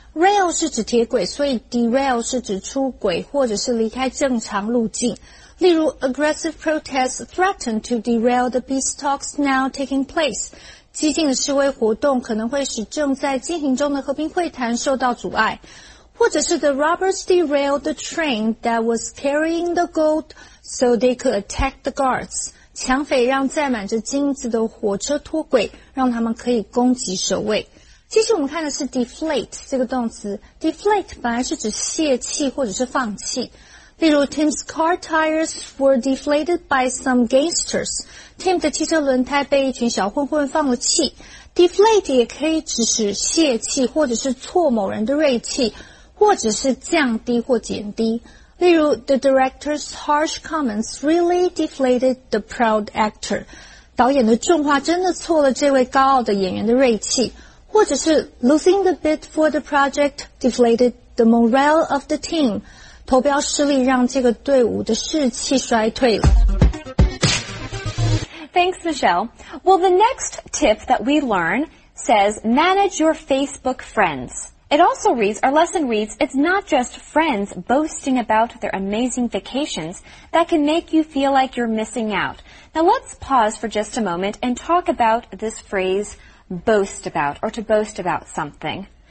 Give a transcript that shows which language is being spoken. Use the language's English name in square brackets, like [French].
[Chinese] Rail 是指铁轨，所以 derail 是指出轨或者是离开正常路径。例如 [English] aggressive protests threaten to derail the peace talks now taking place. [Chinese] 激进的示威活动可能会使正在进行中的和平会谈受到阻碍。或者是 [English] the robbers derailed the train that was carrying the gold so they could attack the guards. [Chinese] 抢匪让载满着金子的火车脱轨，让他们可以攻击守卫。其实我们看的是 deflate 这个动词。deflate 本来是指泄气或者是放气。例如 [English] Tim's car tires were deflated by some gangsters. [Chinese] Tim 的汽车轮胎被一群小混混放了气。 deflate 也可以指使泄气或者是挫某人的锐气或者是降低或减低。例如 [English] The director's harsh comments really deflated the proud actor. [Chinese] 导演的重话真的挫了这位高傲的演员的锐气。或者是 [English] Losing the bid for the project deflated the morale of the team. [Chinese] 投标失利让这个队伍的士气衰退了。 [English] Thanks, Michelle. Well, the next tip that we learn says manage your Facebook friends. It also reads, our lesson reads, it's not just friends boasting about their amazing vacations that can make you feel like you're missing out. Now, let's pause for just a moment and talk about this phrase, boast about, or to boast about something.